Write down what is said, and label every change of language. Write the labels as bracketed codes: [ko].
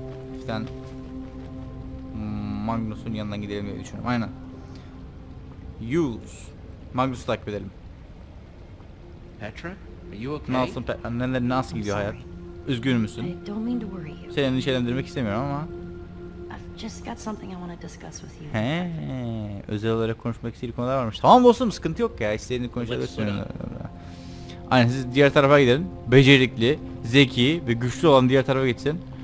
[tr] Hafiften Magnus'un yanına gidelim diye düşünüyorum. Aynen. Yules. Magnus'u takip edelim. [en] Petra, are you okay? [tr] Nasılsın Petra? Nasıl gidiyor hayat? Üzgün müsün? Seni endişelendirmek istemiyorum ama. [en] Just got something I want to discuss with you. [tr] Özel olarak konuşmak istediğim konular varmış. Tamam dostum, sıkıntı yok ya. İstediğini konuşabilirsin. Aynen, siz diğer tarafa gidin. Becerikli, zeki ve güçlü olan diğer tarafa gitsin.